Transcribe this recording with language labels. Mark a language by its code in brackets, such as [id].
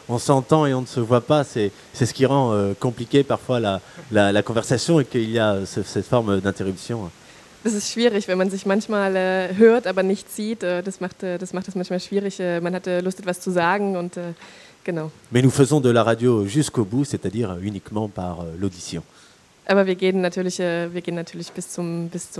[fr] On s'entend et on ne se voit pas. C'est ce qui rend compliqué parfois la conversation et qu'il y a cette forme d'interruption. [de] Das ist schwierig, wenn man sich manchmal hört, aber nicht sieht. Das macht es manchmal schwierig. Man hat Lust, etwas zu sagen und genau. [fr] Mais nous faisons de la radio jusqu'au bout, c'est-à-dire uniquement par l'audition. [de] Aber wir gehen natürlich bis zum